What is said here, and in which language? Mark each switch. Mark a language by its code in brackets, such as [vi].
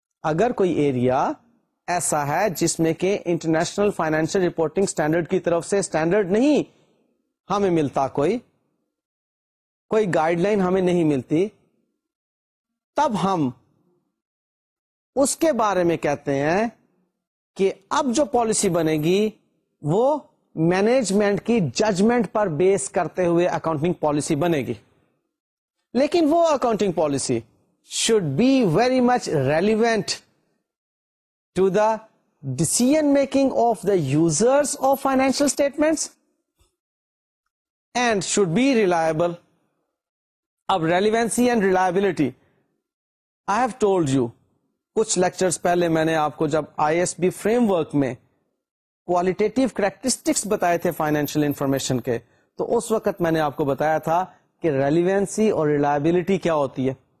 [ur] اگر کوئی ایریا ایسا ہے جس میں کہ انٹرنیشنل فائنینشیل رپورٹنگ اسٹینڈرڈ کی طرف سے اسٹینڈرڈ نہیں ہمیں ملتا, کوئی گائیڈ لائن ہمیں نہیں ملتی, تب ہم اس کے بارے میں کہتے ہیں کہ اب جو پالیسی بنے گی وہ مینجمنٹ کی ججمنٹ پر بیس کرتے ہوئے اکاؤنٹنگ پالیسی بنے گی. لیکن وہ [en] Accounting policy should be very much relevant to the decision making of the users of financial statements and should be reliable. [ur] اب relevancy and reliability, [en] I have told you [ur] کچھ lectures پہلے میں نے آپ کو جب ISB فریم ورک میں qualitative characteristics بتائے تھے فائنینشیل انفارمیشن کے, تو اس وقت میں نے آپ کو بتایا تھا کہ ریلیونسی اور ریلائبلٹی کیا ہوتی ہے.